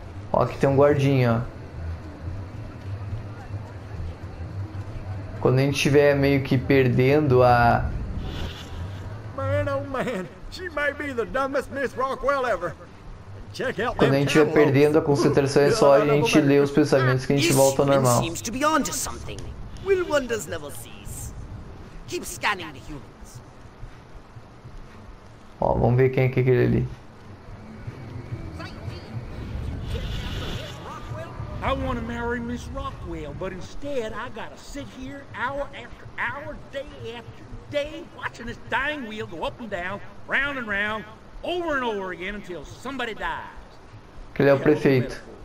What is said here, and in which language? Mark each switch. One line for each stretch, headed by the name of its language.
Portuguese: Ó, aqui tem um guardinha, ó. Quando a gente estiver meio que perdendo a.
English: Man, oh man. She may be the dumbest Miss Rockwell ever. Check out.
Portuguese: Quando a gente vai perdendo a concentração, é só a gente ler os pensamentos que a gente volta ao normal.
English: Seems to be onto something. Will wonders never cease. Keep scanning the humans.
Portuguese: Ó, vamos ver quem é que é aquele ali.
English: I want to marry Miss Rockwell, but instead I gotta sit here hour after hour, day after day, watching this dying wheel go up and down. Round and round, over and over again until somebody dies.
Portuguese: Que ele é o prefeito.